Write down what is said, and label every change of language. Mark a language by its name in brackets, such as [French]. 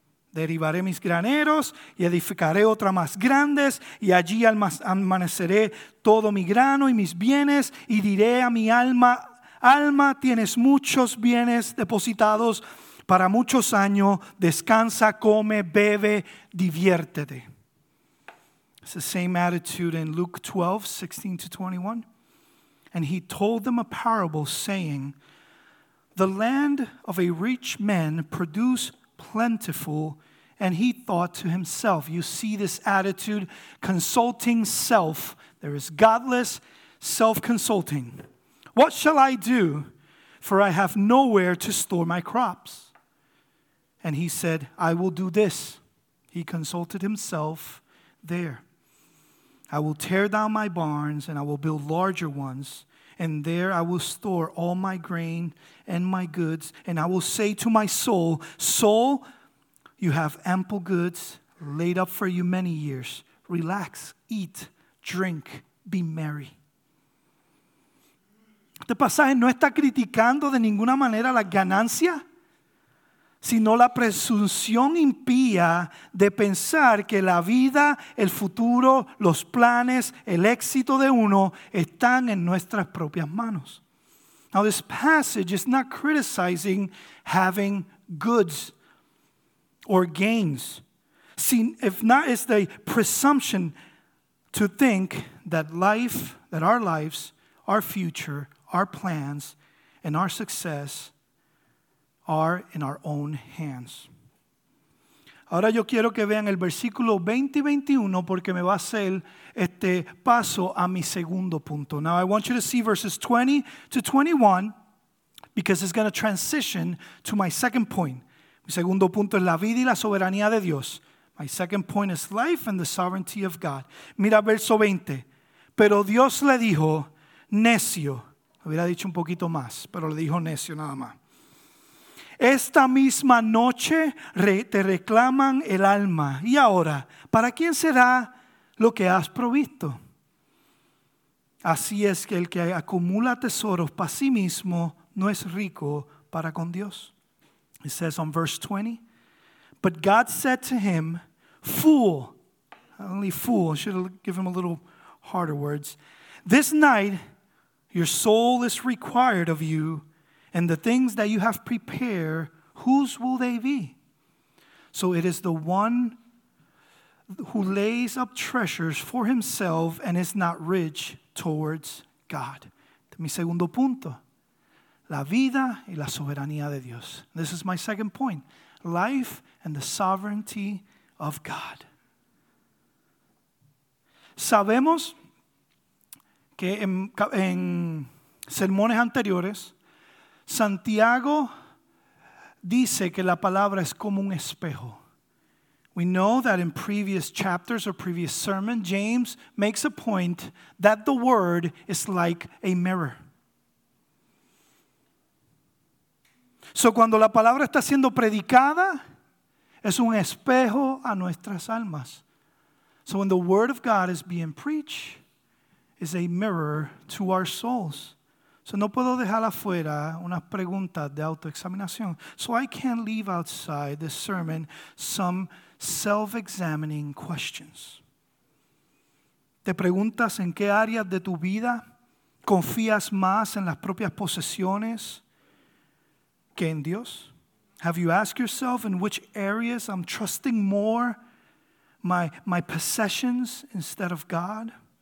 [Spanish] Derribaré mis graneros y edificaré otra más grande y allí almaneceré todo mi grano y mis bienes y diré a mi alma, alma, tienes muchos bienes depositados para muchos años, descansa, come, bebe, diviértete. [English] It's the same attitude in Luke 12, 16 to 21. And he told them a parable saying, the land of a rich man produced plentiful, and he thought to himself, you see this attitude, consulting self. There is godless self-consulting. What shall I do? For I have nowhere to store my crops. And he said, I will do this. He consulted himself there. I will tear down my barns and I will build larger ones. And there I will store all my grain and my goods. And I will say to my soul, soul, you have ample goods laid up for you many years. Relax, eat, drink, be merry. [Spanish] Este pasaje no está criticando de ninguna manera la ganancia, sino la presunción impía de pensar que la vida, el futuro, los planes, el éxito de uno están en nuestras propias manos. [English] Now this passage is not criticizing having goods or gains. See, if not, it's the presumption to think that life, that our lives, our future, our plans, and our success are in our own hands. [Spanish] Ahora yo quiero que vean el versículo 20 y 21 porque me va a hacer este paso a mi segundo punto. [English] Now I want you to see verses 20 to 21 because it's going to transition to my second point. [Spanish] Mi segundo punto es la vida y la soberanía de Dios. [English] My second point is life and the sovereignty of God. [Spanish] Mira verso 20. Pero Dios le dijo, necio. Hubiera dicho un poquito más, pero le dijo necio nada más. Esta misma noche te reclaman el alma. Y ahora, ¿para quién será lo que has provisto? Así es que el que acumula tesoros para sí mismo no es rico para con Dios. [English] It says on verse 20, but God said to him, fool, only fool, should have given him a little harder words. This night your soul is required of you, and the things that you have prepared, whose will they be? So it is the one who lays up treasures for himself and is not rich towards God. [Spanish] Mi segundo punto. La vida y la soberanía de Dios. [English] This is my second point. Life and the sovereignty of God. [Spanish] Sabemos que en sermones anteriores, Santiago dice que la palabra es como un espejo. [English] We know that in previous chapters or previous sermon, James makes a point that the word is like a mirror. [Spanish] So cuando la palabra está siendo predicada, es un espejo a nuestras almas. [English] So when the word of God is being preached, it's a mirror to our souls. [Spanish] So no puedo dejar afuera unas preguntas de autoexaminación. [English] So I can't leave outside this sermon some self-examining questions. [Spanish] ¿Te preguntas en qué áreas de tu vida confías más en las propias posesiones que en Dios? [English] Have you asked yourself in which areas I'm trusting more my possessions instead of God?